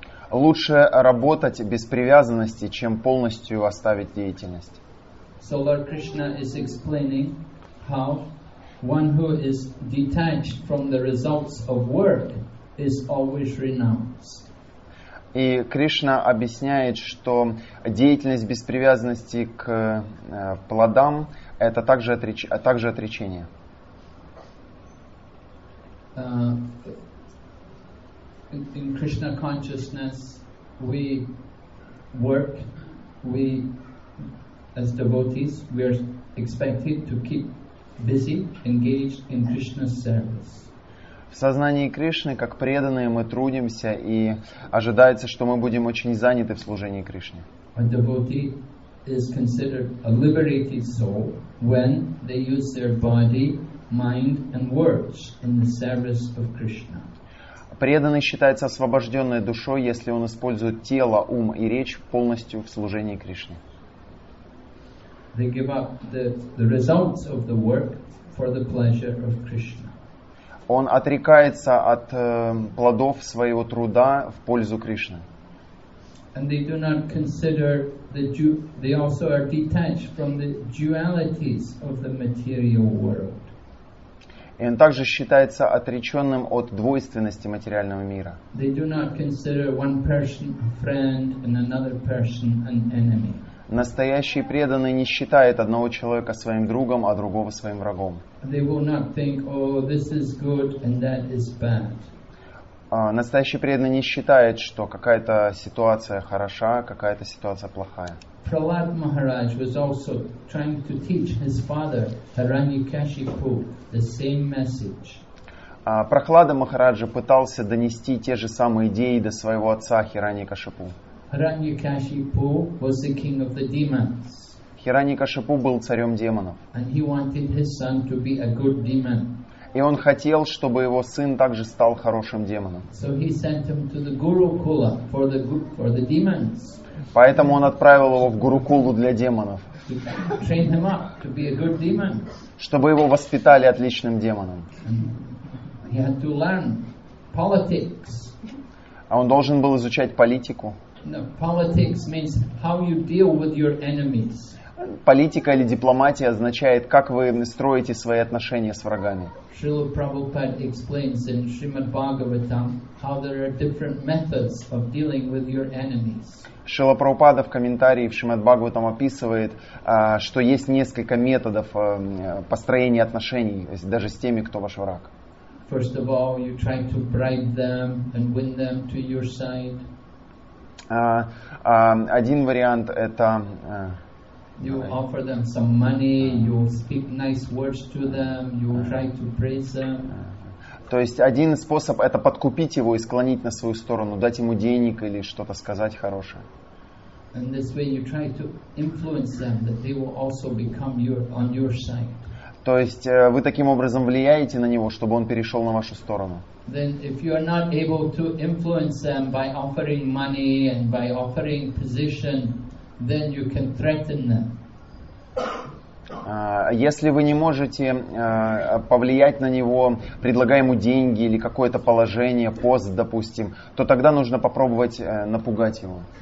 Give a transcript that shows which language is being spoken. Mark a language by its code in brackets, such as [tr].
[ru] Лучше работать без привязанности, чем полностью оставить деятельность. [en] So Lord Krishna is explaining how one who is detached from the results of work is always renounced. [ru] И Кришна объясняет, что деятельность без привязанности к плодам — это также, также отречение. [en] In Krishna consciousness, we work, we, as devotees, we are expected to keep busy, engaged in Krishna's service. [ru] В сознании Кришны, как преданные, мы трудимся и ожидается, что мы будем очень заняты в служении Кришне. [en] A devotee is considered a liberated soul when they use their body, mind and words in the service of Krishna. [ru] Преданный считается освобожденной душой, если он использует тело, ум и речь полностью в служении Кришне. [en] They give up the results of the work for the pleasure of Krishna. [ru] Он отрекается от плодов своего труда в пользу Кришны. [en] And they do not consider the they also are detached from the dualities of the material world. [ru] И он также считается отреченным от двойственности материального мира. [en] They do not consider one person a friend and another person an enemy. [ru] Настоящий преданный не считает одного человека своим другом, а другого своим врагом. [en] They will not think, oh, this is good and that is bad. [ru] Настоящий преданный не считает, что какая-то ситуация хороша, какая-то ситуация плохая. [en] Prahlad Maharaj was also trying to teach his father, Hiranyakashipu, the same message. [ru] Прохлада Махараджа пытался донести те же самые идеи до своего отца Хираньякашипу. [en] Hiranyakashipu was the king of the demons. [ru] Hiranyakashipu был царем демонов. [en] And he wanted his son to be a good demon. [ru] И он хотел, чтобы его сын также стал хорошим демоном. [en] So he sent him to the Gurukula for the demons. [ru] Поэтому он отправил его в Гурукулу для демонов. [en] To train him up to be a good demon. [ru] Чтобы его воспитали отличным демоном. [en] And he had to learn politics. [ru] А он должен был изучать политику. [en] No, politics means how you deal with your enemies. [ru] политика или дипломатия означает, как вы строите свои отношения с врагами. [en] Srila Prabhupada explains in Srimad Bhagavatam how there are different methods of dealing with your enemies. [ru] Шрила Прабхупада в комментарии в Шримад Бхагаватам описывает, что есть несколько методов построения отношений даже с теми, кто ваш враг. [en] First of all, you try to bribe them and win them to your side. [ru] Один вариант это [en] offer them some money, you speak nice words to them, you try to praise them. [ru] То есть один способ это подкупить его и склонить на свою сторону, дать ему денег или что-то сказать хорошее. [en] And this way you try to influence them that they will also become your on your side. [ru] То есть вы таким образом влияете на него, чтобы он перешел на вашу сторону. [en] Then if you are not able to influence them by offering money and by offering position, then you can threaten them. [ru] Если вы не можете повлиять на него, предлагая ему деньги или какое-то положение, пост, допустим, то тогда нужно попробовать напугать его.